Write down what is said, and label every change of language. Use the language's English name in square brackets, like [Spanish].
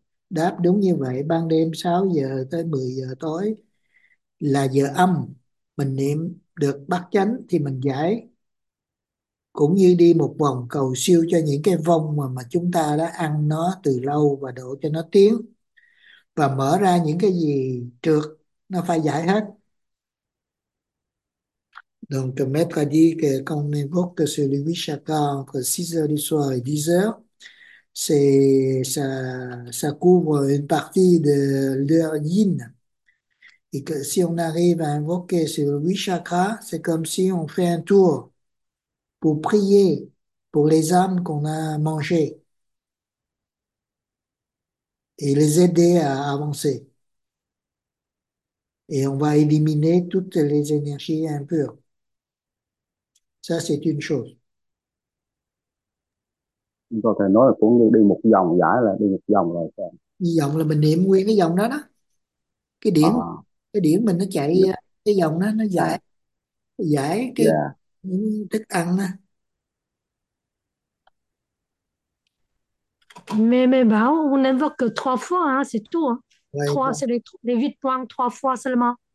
[Vietnamese] Đáp đúng như vậy, ban đêm 6 giờ tới 10 giờ tối là giờ âm, mình niệm được bát chánh thì mình giải, cũng như đi một vòng cầu siêu cho những cái vong mà chúng ta đã ăn nó từ lâu và đổ cho nó tiếng, và mở ra những cái gì trược nó phải giải hết. [French] Donc, le maître a dit que quand on invoque sur les huit chakras entre 6 h du soir et 10 h, ça couvre une partie de l'heure yin. Et que si on arrive à invoquer sur les huit chakras, c'est comme si on fait un tour pour prier pour les âmes qu'on a mangées et les aider à avancer. Et on va éliminer toutes les énergies impures. Ça c'est une chose. [Vietnamese] Chúng tôi thể nói là cũng đi một vòng giải là đi một vòng rồi sao? Như vòng là mình niệm nguyên cái vòng đó đó. Cái điểm mình nó chạy cái vòng đó, nó giải giải cái thức ăn đó. [French] Mais bah, on invoque que trois fois, hein, c'est tout. Hein. Ouais, Trois, c'est les 8 points, 3 fois seulement.